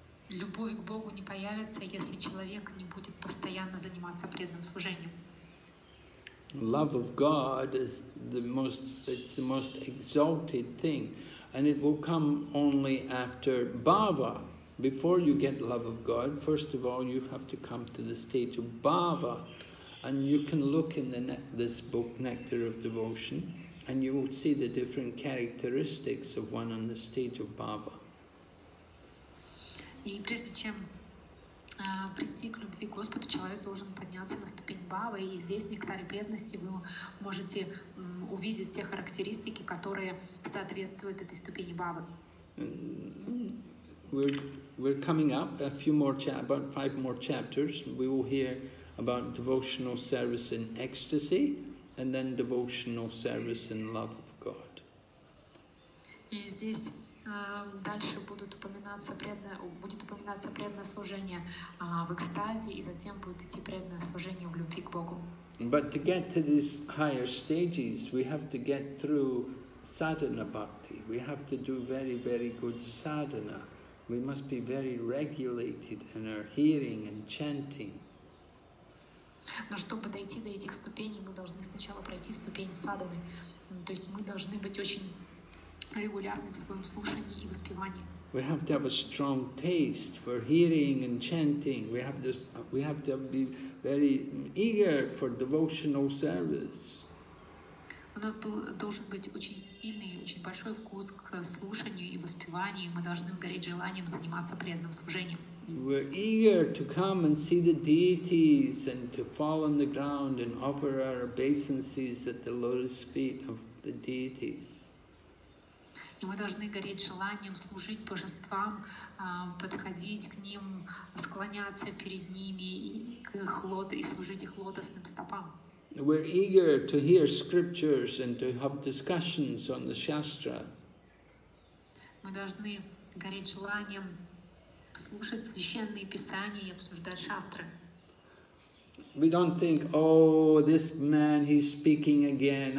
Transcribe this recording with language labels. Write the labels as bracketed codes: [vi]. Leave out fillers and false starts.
[ru] Любовь к Богу не появится, если человек не будет постоянно заниматься преданным служением. [en] Love of God is the most exalted thing, and it will come only after bhava. Before you get love of God, first of all, you have to come to the state of bhava. And you can look in this book, Nectar of Devotion, and you will see the different characteristics of one in the state of bhava. [ru] И прежде чем прийти к любви к Господу, человек должен подняться на ступень бхавы, и здесь в Нектаре преданности вы можете увидеть те характеристики, которые соответствуют этой ступени бхавы. [en] We're coming up a few more about 5 more chapters. We will hear about devotional service in ecstasy, and then devotional service in love of God. [ru] И здесь дальше будет упоминаться преданное служение в экстазе, и затем будет идти преданное служение в любви к Богу. [en] But to get to these higher stages, we have to get through sadhana bhakti. We have to do very, very good sadhana. We must be very regulated in our hearing and chanting. [ru] Но чтобы дойти до этих ступеней, мы должны сначала пройти ступень садханы. То есть мы должны быть очень регулярны в своем слушании и воспевании. [en] We have to have a strong taste for hearing and chanting. We have to be very eager for devotional service. [ru] У нас должен быть очень сильный, очень большой вкус к слушанию и воспеванию. Мы должны гореть желанием заниматься преданным служением. [en] We're eager to come and see the deities and to fall on the ground and offer our obeisances at the lotus feet of the deities. [ru] И мы должны гореть желанием служить божествам, подходить к ним, склоняться перед ними и служить их лотосным стопам. [en] We're eager to hear scriptures and to have discussions on the shastra. [ru] Мы должны гореть желанием слушать священные писания и обсуждать шастры. [en] We don't think, oh, this man, he's speaking again.